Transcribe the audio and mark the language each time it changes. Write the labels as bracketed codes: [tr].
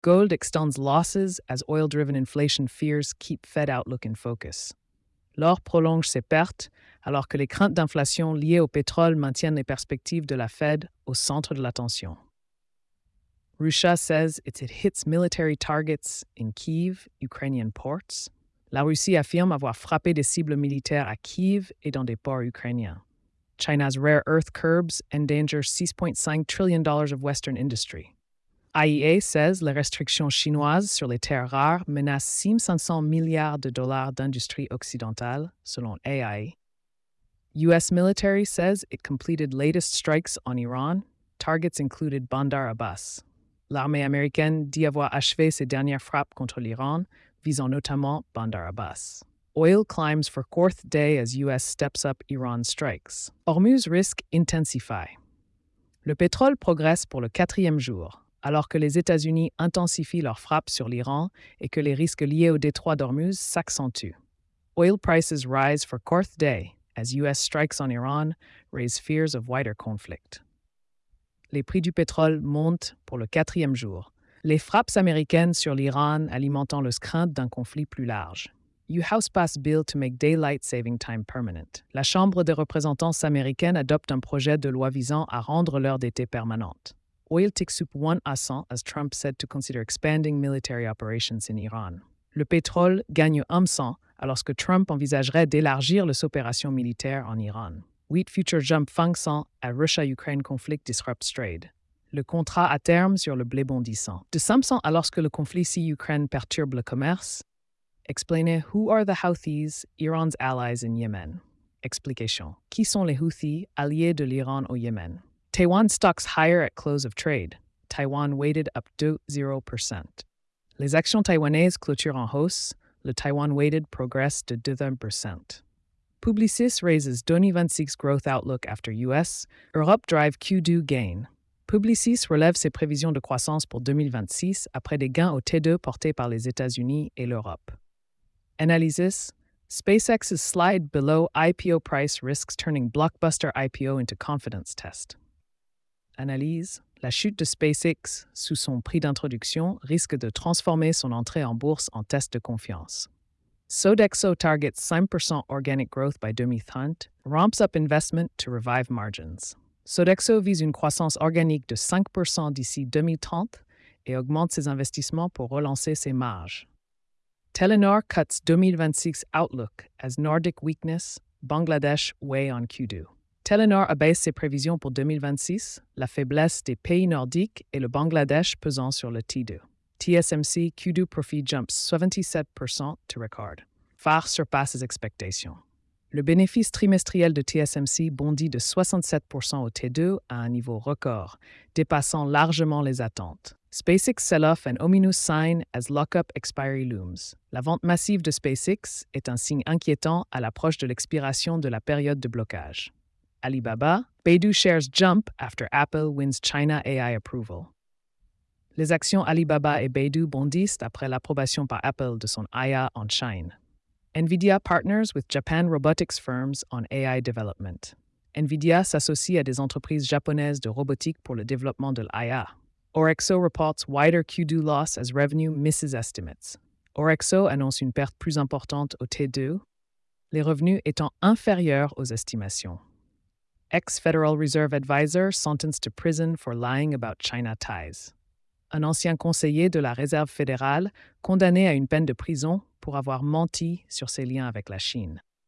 [en] Gold extends losses as oil-driven inflation fears keep Fed outlook in focus. [fr] L'or prolonge ses pertes alors que les craintes d'inflation liées au pétrole maintiennent les perspectives de la Fed au centre de l'attention. [en] Russia says it hits military targets in Kyiv, Ukrainian ports. [fr] La Russie affirme avoir frappé des cibles militaires à Kyiv et dans des ports ukrainiens. [en] China's rare earth curbs endanger $6.5 trillion of Western industry. IEA says [fr] les restrictions chinoises sur les terres rares menacent 500 milliards de dollars d'industrie occidentale, selon AI. [en] US military says it completed latest strikes on Iran. Targets included Bandar Abbas. [fr] L'armée américaine dit avoir achevé ses dernières frappes contre l'Iran, visant notamment Bandar Abbas. [en] Oil climbs for fourth day as US steps up Iran strikes. Hormuz risk intensify. [fr] Le pétrole progresse pour le quatrième jour, alors que les États-Unis intensifient leurs frappes sur l'Iran et que les risques liés au détroit d'Hormuz s'accentuent. [en] Oil prices rise for fourth day as US strikes on Iran raise fears of wider conflict. [fr] Les prix du pétrole montent pour le quatrième jour, les frappes américaines sur l'Iran alimentant le crainte d'un conflit plus large. U.S. [en] passed bill to make daylight saving time permanent. [fr] La Chambre des représentants américaine adopte un projet de loi visant à rendre l'heure d'été permanente. [en] Oil ticks up 1% as Trump said to consider expanding military operations in Iran. [fr] Le pétrole gagne 1% alors que Trump envisagerait d'élargir les opérations militaires en Iran. [en] Wheat futures jump 5% as Russia-Ukraine conflict disrupts trade. [fr] Le contrat à terme sur le blé bondissant. De 5% alors que le conflit si Ukraine perturbe le commerce. [en] Explainer who are the Houthis, Iran's allies in Yemen. [fr] Explication. Qui sont les Houthis, alliés de l'Iran au Yémen? [en] Taiwan stocks higher at close of trade. Taiwan weighted up 2.0%. [fr] Les actions taïwanaises clôturent en hausse. Le Taiwan weighted progresse de 2%. [en] Publicis raises 2026 growth outlook after US. Europe drive Q2 gain. [fr] Publicis relève ses prévisions de croissance pour 2026 après des gains au T2 portés par les États-Unis et l'Europe. [en] Analysis: SpaceX's slide below IPO price risks turning blockbuster IPO into confidence test. [fr] Analyse: la chute de SpaceX sous son prix d'introduction risque de transformer son entrée en bourse en test de confiance. [en] Sodexo targets 5% organic growth by 2030, ramps up investment to revive margins. [fr] Sodexo vise une croissance organique de 5% d'ici 2030 et augmente ses investissements pour relancer ses marges. [en] Telenor cuts 2026 outlook as Nordic weakness, Bangladesh weigh on Q2. [fr] Telenor abaisse ses prévisions pour 2026, la faiblesse des pays nordiques et le Bangladesh pesant sur le T2. [en] TSMC Q2 profit jumps 77% to record. Far surpasses expectations. [fr] Le bénéfice trimestriel de TSMC bondit de 67% au T2 à un niveau record, dépassant largement les attentes. [en] SpaceX sell-off and ominous sign as lockup expiry looms. [fr] La vente massive de SpaceX est un signe inquiétant à l'approche de l'expiration de la période de blocage. [en] Alibaba, Baidu shares jump after Apple wins China AI approval. [fr] Les actions Alibaba et Baidu bondissent après l'approbation par Apple de son AI en China. [en] Nvidia partners with Japan robotics firms on AI development. [fr] Nvidia s'associe à des entreprises japonaises de robotique pour le développement de l'AI. [en] Orexo reports wider Q2 loss as revenue misses estimates. [fr] Orexo annonce une perte plus importante au T2, les revenus étant inférieurs aux estimations. [en] Ex-Federal Reserve Advisor sentenced to prison for lying about China ties. [fr] Un ancien conseiller de la Réserve fédérale condamné à une peine de prison pour avoir menti sur ses liens avec la Chine.